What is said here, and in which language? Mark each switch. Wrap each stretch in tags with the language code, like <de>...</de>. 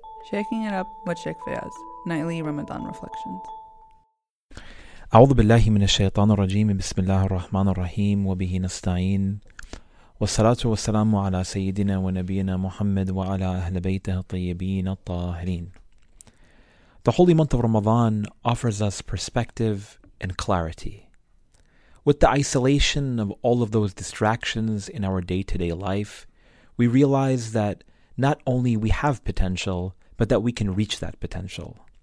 <en>Shaking it up with Sheikh Fayaz, nightly Ramadan reflections.</en> <ar>أعوذ بالله من الشيطان الرجيم بسم الله الرحمن الرحيم وبه نستعين والصلاة والسلام على سيدنا ونبينا محمد وعلى أهل بيته الطيبين الطاهرين.</ar> <en>The holy month of Ramadan offers us perspective and clarity. With the isolation of all of those distractions in our day-to-day life, we realize that not only we have potential, but that we can reach that potential.</en>